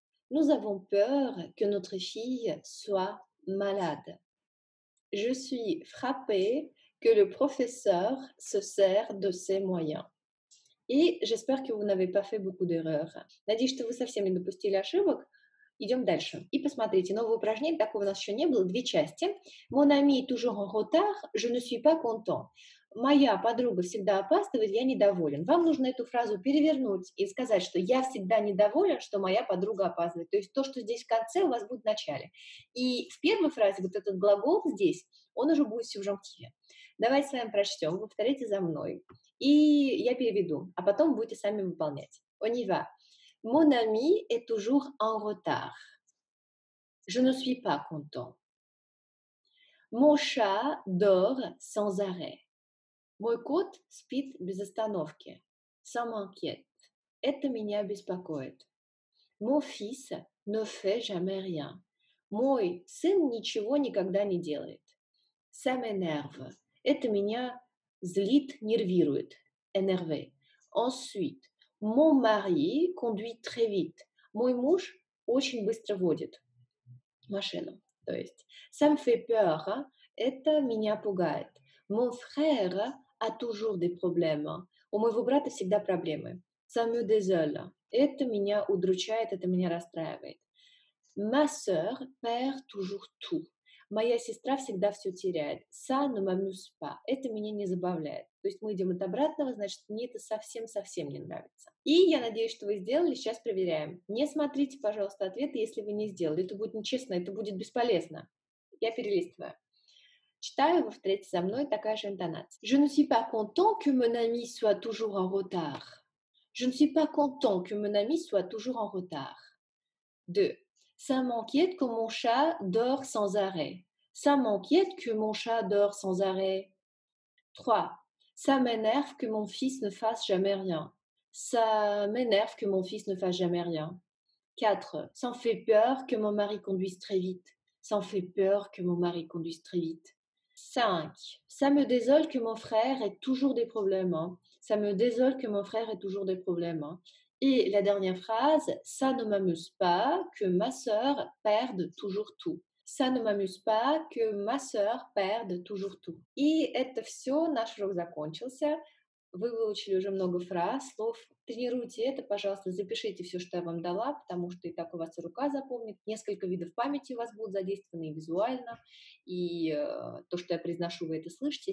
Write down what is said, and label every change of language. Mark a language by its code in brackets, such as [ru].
[fr] Nous avons peur que notre fille soit malade. Je suis frappée que le professeur se sert de ses moyens. Et j'espère que vous n'avez pas fait beaucoup d'erreurs. [ru] Надеюсь, что вы совсем не допустили ошибок. Идем дальше. И посмотрите, новое упражнение, такого у нас еще не было, две части. [fr] Mon ami toujours en retard, je ne suis pas content. [ru] Моя подруга всегда опаздывает, я недоволен. Вам нужно эту фразу перевернуть и сказать, что я всегда недоволен, что моя подруга опаздывает. То есть то, что здесь в конце, у вас будет в начале. И в первой фразе вот этот глагол здесь, он уже будет в субжонктиве. Давайте с вами прочтем, повторите за мной. И я переведу, а потом будете сами выполнять. [fr] On y va. Mon ami est toujours en retard. Je ne suis pas content. Mon chat dort sans arrêt. [ru] Мой кот спит без остановки. Сам анкет. Это меня беспокоит. [fr] Mon fils ne fait jamais rien. [ru] Мой сын ничего никогда не делает. [fr] Ça m'énerve. [ru] Это меня злит, нервирует. [fr] Énervé. Ensuite. Mon mari conduit très vite. [ru] Мой муж очень быстро водит машину. То есть. [fr] Ça me fait peur. [ru] Это меня пугает. [fr] Mon frère a toujours des problèmes. [ru] У моего брата всегда проблемы. [fr] Ça me désole. [ru] Это меня удручает, это меня расстраивает. [fr] Ma soeur perd toujours tout. [ru] Моя сестра всегда все теряет. [fr] Ça ne m'amuse pas. [ru] Это меня не забавляет. То есть мы идем от обратного, значит, мне это совсем-совсем не нравится. И я надеюсь, что вы сделали. Сейчас проверяем. Не смотрите, пожалуйста, ответы, если вы не сделали. Это будет нечестно, это будет бесполезно. Я перелистываю. Читаю, вы повторите за мной, такая же интонация. [fr] Je ne suis pas content que mon ami soit toujours en retard. Je ne suis pas content que mon ami soit toujours en retard. 2. Ça m'inquiète que mon chat dort sans arrêt. Ça m'inquiète que mon chat dort sans arrêt. 3. Ça m'énerve que mon fils ne fasse jamais rien. Ça m'énerve que mon fils ne fasse jamais rien. 4. Ça me fait peur que mon mari conduise très vite. Ça me fait peur que mon mari conduise très vite. 5. Ça me désole que mon frère ait toujours des problèmes. Ça me désole que mon frère ait toujours des problèmes. Et la dernière phrase, ça ne m'amuse pas que ma sœur perde toujours tout. Ça ne m'amuse pas que ma sœur perde toujours tout. [ru] И это все, наш урок закончился. Вы выучили уже много фраз, слов. Тренируйте это, пожалуйста, запишите все, что я вам дала, потому что и так у вас рука запомнит. Несколько видов памяти у вас будут задействованы и визуально. И то, что я произношу, вы это слышите.